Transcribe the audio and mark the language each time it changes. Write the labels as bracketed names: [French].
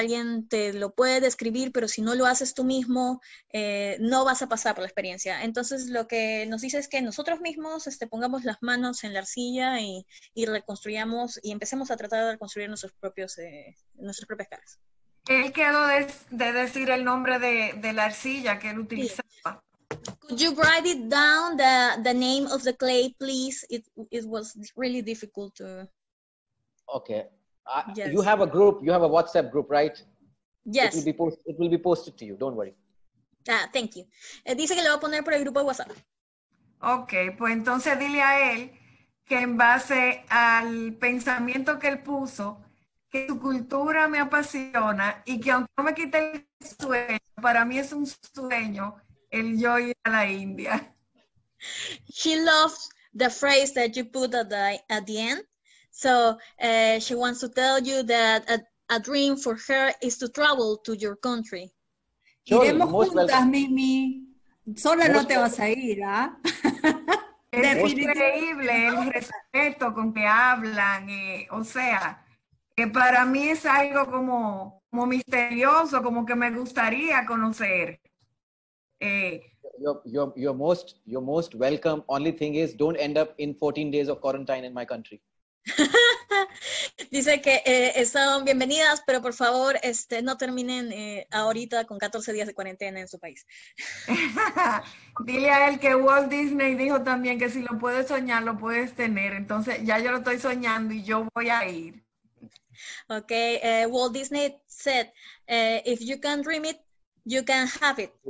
[Spanish] Alguien te lo puede describir, pero si no lo haces tú mismo, no vas a pasar por la experiencia. Entonces, lo que nos dice es que nosotros mismos pongamos las manos en la arcilla y reconstruyamos y empecemos a tratar de reconstruir nuestras propias caras. Él quedó de decir el nombre de la arcilla que él utilizaba. [English] Could you write it down, the name of the clay, please? It was really difficult to... Okay. Yes. You have a group, you have a WhatsApp group, right? Yes. It will be posted to you, don't worry. Thank you. [Spanish] Dice que lo va a poner por el grupo de WhatsApp. Okay, pues entonces dile a él que en base al pensamiento que él puso, que su cultura me apasiona y que aunque no me quite el sueño, para mí es un sueño el yo ir a la India. [English] She loves the phrase that you put at the end. So she wants to tell you that a dream for her is to travel to your country. [Spanish] Iremos juntas, Mimi. Sola no te vas a ir, ¿ah? Es increíble el respeto con que hablan. O sea, que para mí es algo como misterioso, como que me gustaría conocer. [English] You're most welcome. Only thing is, don't end up in 14 days of quarantine in my country. [Spanish] Dice que son bienvenidas, pero por favor no terminen ahorita con 14 días de cuarentena en su país. Dile a él que Walt Disney dijo también que si lo puedes soñar, lo puedes tener. Entonces ya yo lo estoy soñando y yo voy a ir. [English] Ok, Walt Disney said, if you can dream it, you can have it.